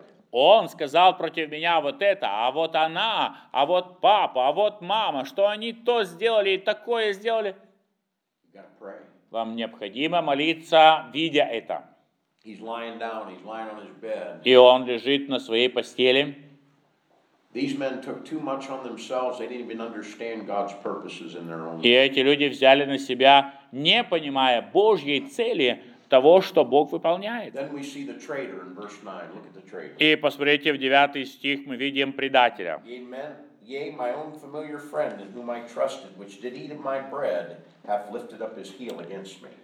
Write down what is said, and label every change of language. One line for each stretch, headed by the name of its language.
Russian: Он сказал против меня вот это, а вот она, а вот папа, а вот мама, что они то сделали и такое сделали. Вам необходимо молиться, видя это.
English: He's lying down, he's lying on his bed.
Russian: И он лежит на своей постели.
English: These men took too much on themselves, they didn't even understand God's purposes in their own.
Russian: И эти люди взяли на себя, не понимая Божьей цели того, что Бог выполняет.
English: Then we see the traitor in verse 9. Look at the traitor.
Russian: И посмотрите, в 9 стих мы видим предателя.
English: Yea, my own familiar friend in whom I trusted, which did eat of my bread, hath lifted up his heel against me.